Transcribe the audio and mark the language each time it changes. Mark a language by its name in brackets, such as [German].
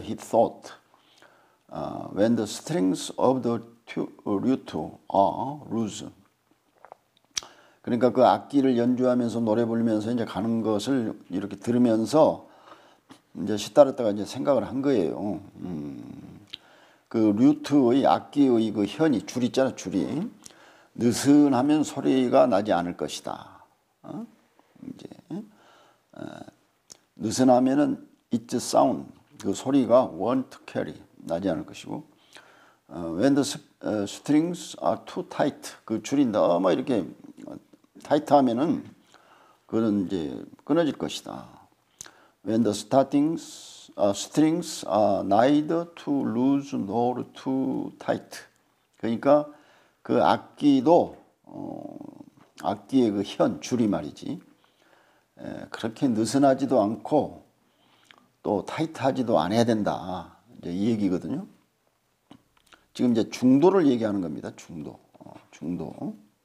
[English] He thought, when the strings of the lute are loose. [Korean] 그러니까 그 악기를 연주하면서 노래 부르면서 이제 가는 것을 이렇게 들으면서 이제 시다르타가 이제 생각을 한 거예요. 그 류트의 악기의 그 현이 줄 있잖아, 줄이. 느슨하면 소리가 나지 않을 것이다. 이제 느슨하면은 its sound, 그 소리가 won't carry, 나지 않을 것이고. When the strings are too tight, 그 줄이 너무 이렇게 타이트하면은 그는 이제 끊어질 것이다. [English] When the strings are neither too loose nor too tight. [Korean] 그러니까 그 악기도 악기의 그 현 줄이 말이지 그렇게 느슨하지도 않고 또 타이트하지도 않아야 된다. 이제 이 얘기거든요. 지금 이제 중도를 얘기하는 겁니다. 중도, 중도.